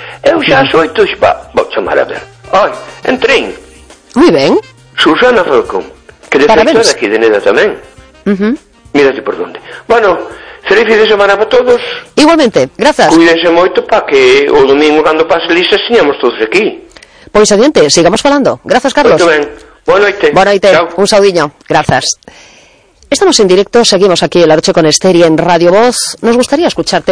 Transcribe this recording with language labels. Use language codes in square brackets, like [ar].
[gl] Eu xa xoito xa vou chamar a ver. Ai, entrei. Moi ben. Susana Falcón, que de feito é aquí de Neda tamén. [es] Mírate por donde. [gl] Bueno, feliz fin de semana para todos. Igualmente, grazas. Cuídense moito para que o domingo cando pase lista señamos todos aquí. Pois adiante, sigamos falando. Grazas, Carlos. Moito ben. Boa noite. Boa noite. Un saudinho. Grazas. [es] Estamos en directo, seguimos aquí en La Noche con Esther y en Radio Voz. Nos gustaría escucharte.